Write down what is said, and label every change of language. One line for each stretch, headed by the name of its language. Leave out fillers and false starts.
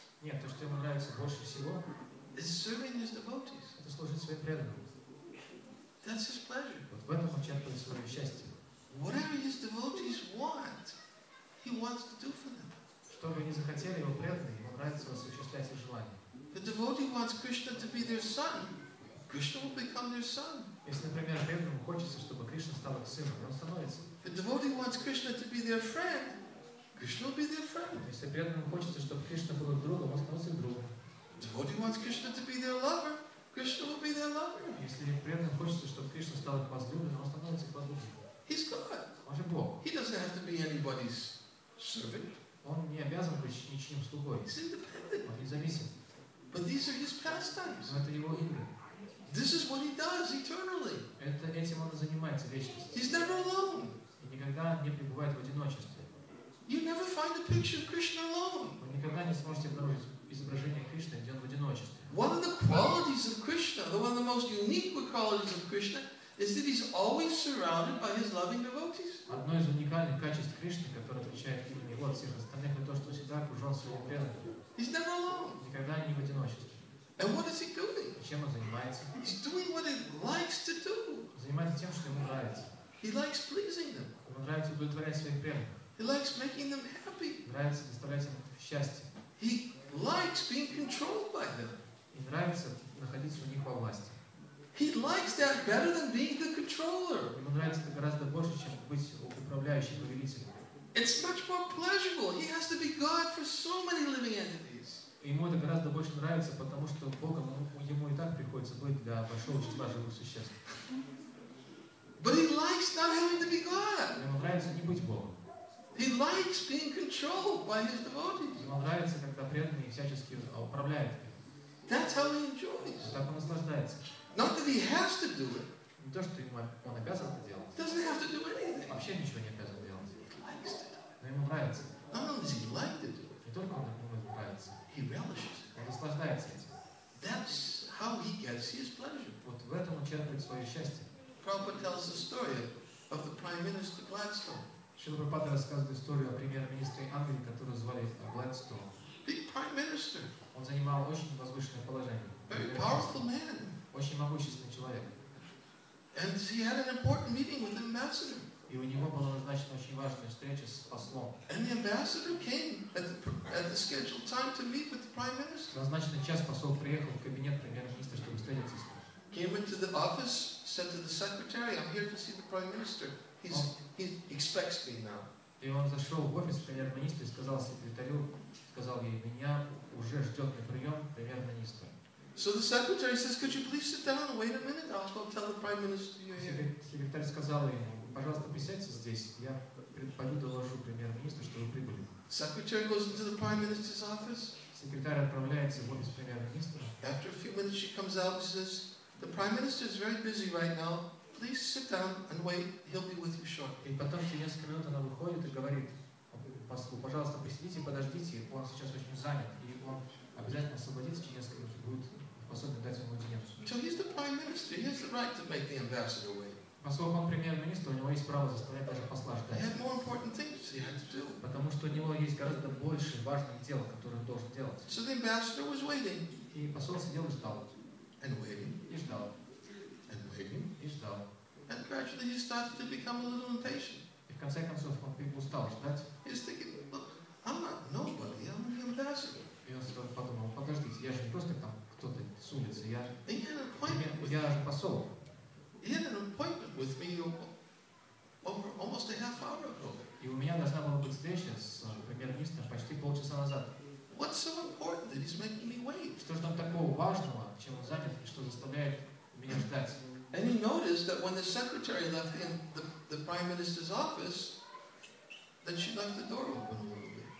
Russian: Нет, то, что ему нравится больше всего.
English: Is serving his devotees.
Russian: Это служить своим преданным.
English: That's his pleasure.
Russian: Вот в этом он черпает свое счастье.
English: Whatever his devotees want, he wants to do for them.
Russian: Что бы они захотели, его преданные, ему нравится осуществлять их желания.
English: The devotee wants Krishna to be their son. Krishna will become their son.
Russian: Если, например, преданному хочется, чтобы Кришна стал их сыном, он становится.
English: The devotee wants Krishna to be their friend. Krishna will be their friend.
Russian: Если преданному хочется, чтобы Кришна был их другом, он становится их другом.
English: The devotee wants Krishna to be their lover. Krishna will be their lover.
Russian: Если преданному хочется, чтобы Кришна стал их возлюбленным, он становится их возлюбленным.
English: He's God.
Russian: Он же Бог.
English: He doesn't have to be anybody's servant.
Russian: Он не обязан быть ничьим слугой.
English: He's independent.
Russian: Он независим.
English: But these are his pastimes.
Russian: Но это его игры.
English: This is what he does eternally.
Russian: Это этим он и занимается вечность.
English: He's never alone.
Russian: И никогда не пребывает в одиночестве.
English: You never find a picture of Krishna alone.
Russian: Вы никогда не сможете обнаружить изображение Кришны, где он в одиночестве.
English: One of the qualities of Krishna, one of the most unique qualities of Krishna, is that he's always surrounded by his loving devotees.
Russian: Одно из уникальных качеств Кришны, которое отличает его от всех остальных, это то, что всегда окружен своими преданными.
English: He's never alone.
Russian: Никогда не в одиночестве.
English: And what is he doing?
Russian: Чем он занимается?
English: He's doing what he likes to do.
Russian: Занимается тем, что ему нравится.
English: He likes pleasing them.
Russian: Ему нравится удовлетворять своих преданных.
English: He likes making them happy.
Russian: Нравится доставлять им счастье.
English: He likes being controlled by them.
Russian: И нравится находиться у них во власти.
English: He likes that better than being the controller.
Russian: Ему нравится это гораздо больше, чем быть управляющим, повелителем.
English: It's much more pleasurable. He has to be God for so many living entities.
Russian: Ему это гораздо больше нравится, потому что Богом ему и так приходится быть для большого числа живых существ.
English: But he likes not having to be God.
Russian: Ему нравится не быть Богом.
English: He likes being controlled by his devotees.
Russian: Ему нравится, когда преданные всячески управляют им.
English: That's how he enjoys.
Russian: Так он наслаждается.
English: Not that he has to do it.
Russian: Не то, что ему он обязан это делать.
English: Doesn't have to do anything.
Russian: Вообще ничего не обязан делать.
English: He likes to do it.
Russian: Но ему нравится.
English: Not only does he like to do it.
Russian: Не только он ему нравится.
English: He relishes.
Russian: Он наслаждается этим.
English: That's how he gets his pleasure.
Russian: Вот в этом он черпает свое счастье.
English: Prabhupada tells the story of the Prime Minister Gladstone.
Russian: Шрила Прабхупада рассказывает историю о премьер-министре Англии, которого звали Гладстон.
English: Big Prime Minister.
Russian: Он занимал очень возвышенное положение.
English: Very powerful man.
Russian: Очень могущественный человек.
English: And he had an important meeting with the ambassador.
Russian: И у него была назначена очень важная встреча с послом.
English: And the ambassador came at the scheduled time to meet with the Prime Minister.
Russian: Назначенный час посол приехал в кабинет премьер-министра, чтобы встретиться с ним.
English: Came into the office, said to the secretary, "I'm here to see the Prime Minister. He expects me now."
Russian: И он зашел в офис премьер-министра и сказал секретарю, сказал ей, меня уже ждет на прием премьер-министр.
English: So the secretary says, "Could you please sit down and wait a minute? I'll go tell the Prime Minister you're here."
Russian: Секретарь сказал ему, пожалуйста, присядьте здесь, я пойду доложу премьер-министру, что вы прибыли.
English: Secretary goes into the Prime Minister's office.
Russian: Секретарь отправляется в офис премьер-министра.
English: After a few minutes, she comes out and says, "The Prime Minister is very busy right now. Please sit down and wait. He'll be with you shortly."
Russian: И потом через несколько минут она выходит и говорит послу, пожалуйста, посидите, подождите, он сейчас очень занят, и он обязательно освободится через несколько минут и будет способен дать ему аудиенцию.
English: So he's the Prime Minister. He has the right to make the ambassador wait.
Russian: Поскольку он премьер-министр, у него есть право заставлять даже посла ждать.
English: He had more important things he had to do.
Russian: Потому что у него есть гораздо больше важных дел, которые он должен делать.
English: So the ambassador was waiting.
Russian: И посол сидел и ждал.
English: And waiting.
Russian: И ждал.
English: And waiting.
Russian: И ждал.
English: And gradually he started to become a little impatient.
Russian: И в конце концов он устал ждать.
English: He's thinking, look, I'm not nobody, I'm the ambassador.
Russian: И он сразу подумал, подождите, я же не просто там кто-то с улицы, я же посол.
English: He had an appointment with me over almost a half hour ago.
Russian: И у меня должна была быть встреча с премьер-министром почти полчаса назад.
English: What's so important that he's making me wait?
Russian: Что же там такого важного, чем он занят, и что заставляет меня ждать?
English: And he noticed that when the secretary left in the prime minister's office, that she left the door open a little bit.